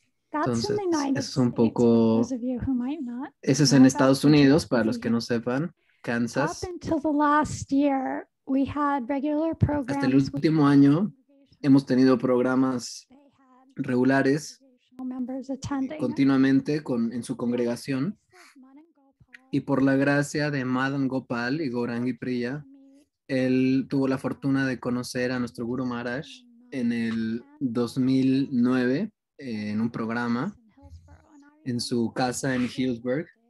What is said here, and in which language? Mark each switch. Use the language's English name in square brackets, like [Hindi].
[Spanish] Entonces, es un poco, ese es en Estados Unidos, para los que no sepan. Kansas. [English] Up until the last year, we had regular programs. [Spanish] Hasta el último año hemos tenido programas regulares continuamente en su congregación. Y por la gracia de Madan Gopal y Gaurangi Priya, él tuvo la fortuna de conocer a nuestro Guru Maharaj en el 2009 en un programa en su casa en Hillsburg.